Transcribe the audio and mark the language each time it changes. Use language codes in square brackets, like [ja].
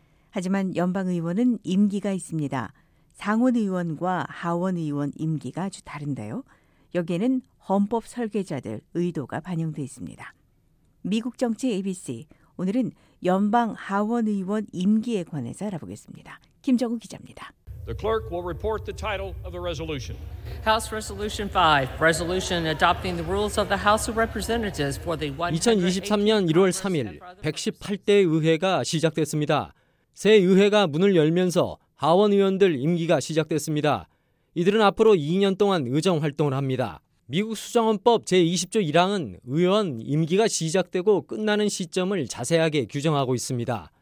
[ko] 하지만 연방의원은 임기가 있습니다. 상원의원과 하원의원 임기가 아주 다른데요. 여기에는 헌법 설계자들 의도가 반영돼 있습니다. 미국 정치 ABC, 오늘은 연방 하원 의원 임기에 관해서 알아보겠습니다. 김정우 기자입니다. [en] The clerk will report the title of the resolution. House Resolution 5, resolution adopting the rules of the House of Representatives for the [ko] 2023년 1월 3일 118대 의회가 시작됐습니다. 새 의회가 문을 열면서 하원 의원들 임기가 시작됐습니다. 이들은 앞으로 2년 동안 의정 활동을 합니다. 미국 수정헌법 제20조 1항은 의원 임기가 시작되고 끝나는 시점을 자세하게 규정하고 있습니다.